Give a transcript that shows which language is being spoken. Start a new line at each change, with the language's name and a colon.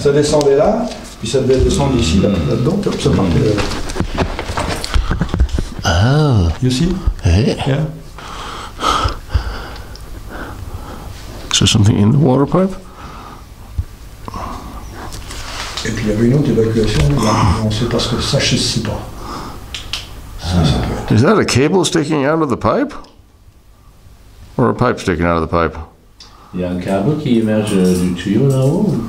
French: Ça descendait là, puis ça devait descendre ici, là-dedans, là, ça partait là.
English: Oh. You see? Hey. Yeah. Is there something in the water pipe?
French: Et puis il y avait une autre évacuation, là, on ne sait pas ce que ça, je ne sais pas.
English: Is that a cable sticking out of the pipe? Or a pipe sticking out of the pipe.
French: Il y a un câble qui émerge du tuyau là-haut.